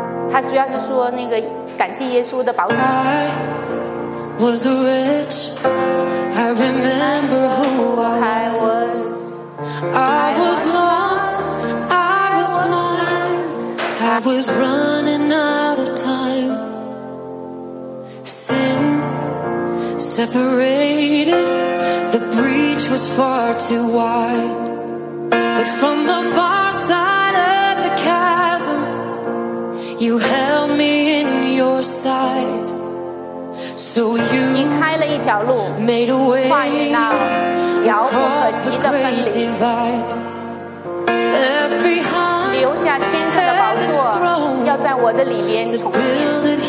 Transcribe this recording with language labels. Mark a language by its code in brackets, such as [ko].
[zh] 他主要是说那个感谢耶稣的保守。 [en] Was a rich, I remember who I was. I was lost, I was blind, I was running out of time. Sin separated, the breach was far too wide. But from the far side of the chasm, you held me in your sight. So、you [zh] 你开了一条路，跨越那遥不可及的分离， [en] divide, [zh] 留下天使的宝座， [en] throne, [zh] 要在我的里边重建。